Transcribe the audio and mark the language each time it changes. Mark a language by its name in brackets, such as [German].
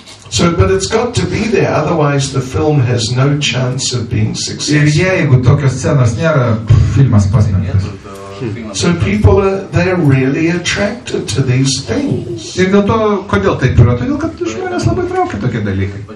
[English] So, but it's got to be there, otherwise the film has no chance of being successful. [Lithuanian] Ir jeigu tokios scenos nėra, filmas pasmerktas. [English] So people are, they're really attracted to these things. [Lithuanian] Ir dėl to, kodėl taip yra? Todėl, kad žmonės labai traukia tokie dalykai.